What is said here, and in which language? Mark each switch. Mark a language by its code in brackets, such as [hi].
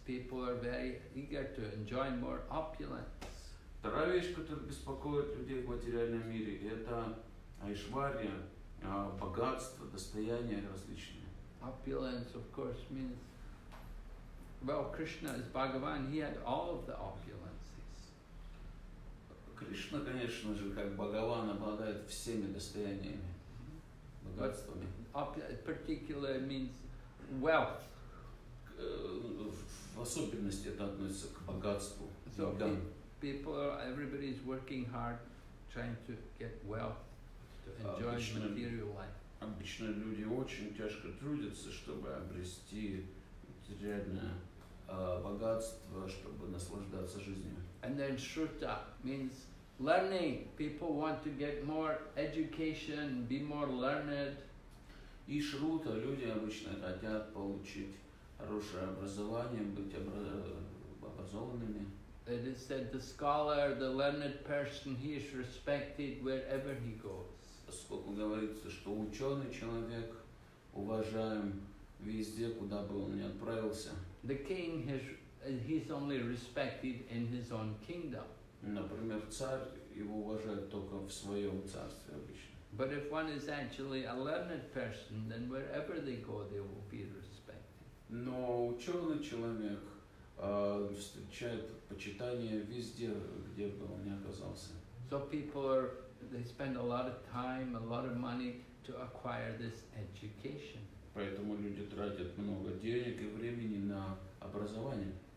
[en] People are very eager to enjoy more opulence. [ru] Вторая вещь, которая беспокоит людей в материальном мире, это айшварья, богатство, достояние различные. [en] Opulence, of course, means... Well, Krishna is Bhagavan, he had all of the opulences. [ru] Кришна, конечно же, как Бхагаван, обладает всеми достояниями, богатствами. [en] Particular means wealth. [ru] В особенности это относится к богатству, богам. [en] Everybody is working hard, trying to get wealth, to enjoy material life. [ru] Обычно люди очень тяжко трудятся, чтобы обрести материальное богатство, чтобы наслаждаться жизнью. [en] And then shruta means learning. People want to get more education, be more learned. [ru] И шрута, люди обычно хотят получить хорошее образование, быть образованными. [en] It is said the scholar, the learned person, he is respected wherever he goes. [ru] Поскольку говорится, что ученый человек уважаем везде, куда бы он ни отправился. [en] The king he's only respected in his own kingdom. [ru] Например, царь его уважает только в своем царстве обычно. [en] But if one is actually a learned person, then wherever they go, they will be respected. [ru] Но ученый человек встречает почитание везде, где бы он ни оказался. [en] So people are, they spend a lot of time, a lot of money to acquire this education. [ru] Поэтому люди тратят много денег и времени на образование.